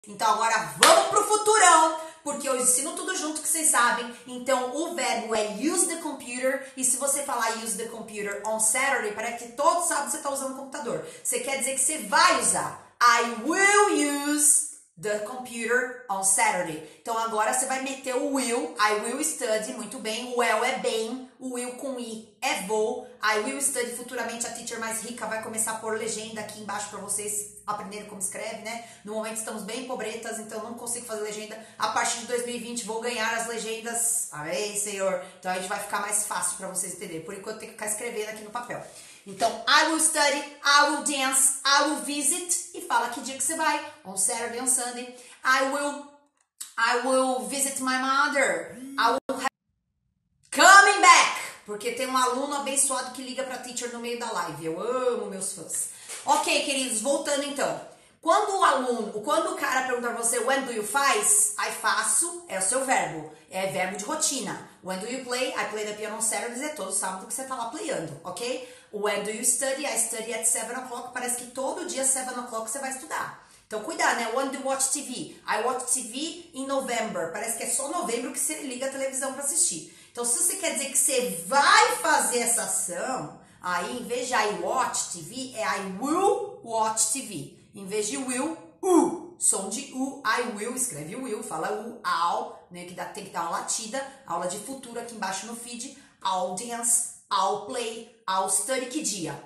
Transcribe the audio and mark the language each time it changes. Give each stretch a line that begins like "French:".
Portuguese: Então agora vamos pro futurão, porque eu ensino tudo junto que vocês sabem. Então o verbo é
English: use the computer,
Portuguese: e se você falar
English: use the computer on Saturday,
Portuguese: parece que todos sabem que você está usando o computador. Você quer dizer que você vai usar.
English: I will use the computer on Saturday.
Portuguese: Então agora você vai meter o will,
English: I will study,
Portuguese: muito bem. O well é bem, o will com i é vou.
English: I will study,
Portuguese: futuramente a teacher mais rica vai começar a pôr legenda aqui embaixo para vocês aprenderem como escreve, né? No momento estamos bem pobretas, então não consigo fazer legenda. A partir de 2020 vou ganhar as legendas. Amém, senhor. Então a gente vai ficar mais fácil para vocês entender. Por enquanto tem que ficar escrevendo aqui no papel.
English: Então, I will study, I will dance, I will visit.
Portuguese: E fala que dia que você vai.
English: On Saturday, on Sunday. I will visit my mother. I will have... Coming back!
Portuguese: Porque tem um aluno abençoado que liga pra teacher no meio da live. Eu amo meus fãs. Ok, queridos, voltando então. Quando o cara perguntar pra você,
English: when do you
Portuguese: faz? I faço, é o seu verbo. É verbo de rotina.
English: When do you play? I play the piano on Saturdays.
Portuguese: É todo sábado que você tá lá playando, ok?
English: When do you study? I study at 7 o'clock.
Portuguese: Parece que todo dia 7 o'clock você vai estudar. Então, cuidado, né?
English: When do you watch TV? I watch TV in November.
Portuguese: Parece que é só novembro que você liga a televisão para assistir. Então, se você quer dizer que você vai fazer essa ação, aí, em vez de
English: I watch TV,
Portuguese: é
English: I will watch TV.
Portuguese: Em vez de will, u. Som de u,
English: I will.
Portuguese: Escreve will, fala u,
English: I'll.
Portuguese: Né? Que dá, tem que dar uma latida. Aula de futuro aqui embaixo no feed.
English: I'll dance. I'll play, I'll study, que dia?